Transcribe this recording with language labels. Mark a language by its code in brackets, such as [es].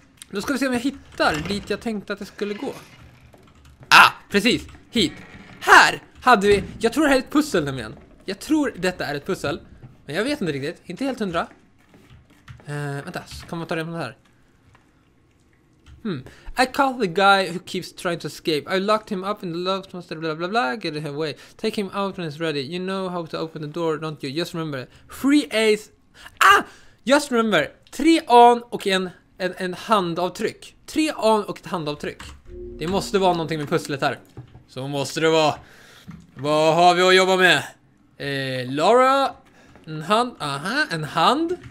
[sv] Då ska vi se om jag hittar dit jag tänkte att det skulle gå. Ah, precis. Hit. Här hade vi... Jag tror det här är ett pussel nämligen. Jag tror detta är ett pussel. Men jag vet inte riktigt. Inte helt hundra. Vänta, ska man ta det med det här? [en] I called the guy who keeps trying to escape. I locked him up in the loft monster, blah blah blah. Get him away. Take him out when he's ready. You know how to open the door, don't you? Just remember it. Three A's. Ah! Just remember. [sv] Tre A'n och en handavtryck. Tre A'n och ett handavtryck. Det måste vara någonting med pusslet här. Så måste det vara. Vad har vi att jobba med? Laura. En hand. Aha, en hand.